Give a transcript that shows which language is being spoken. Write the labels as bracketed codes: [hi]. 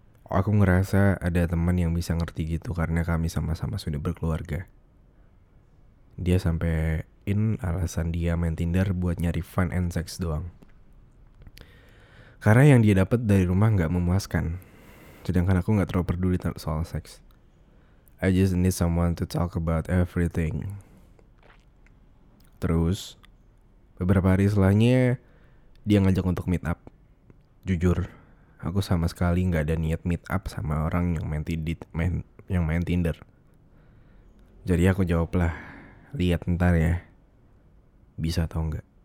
[id] Aku ngerasa ada teman yang bisa ngerti gitu karena kami sama-sama sudah berkeluarga. Dia sampein alasan dia main Tinder buat nyari [en] fun and sex [id] doang. Karena yang dia dapat dari rumah gak memuaskan. Sedangkan aku gak terlalu peduli soal sex. [en] I just need someone to talk about everything. [id] Terus, beberapa hari setelahnya dia ngajak untuk meet up. Jujur, aku sama sekali gak ada niat meet up sama orang yang main Tinder. Jadi aku jawablah, lihat ntar ya, bisa atau enggak.